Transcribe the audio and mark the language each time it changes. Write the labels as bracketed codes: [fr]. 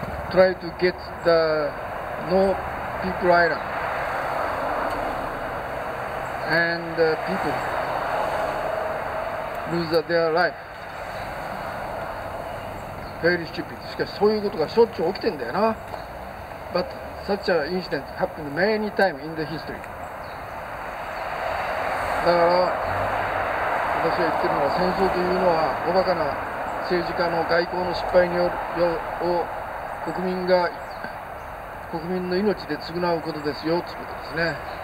[en] Try to get the no people island and people lose their life. Very stupid. [ja] しかしそういうことがしょっちゅう起きてんだよな。 [en] But such an incident happened many times in the history. [ja] だから私が言ってるのは、戦争というのはおバカな政治家の外交の失敗によるよを国民の命で償うことですよということですね。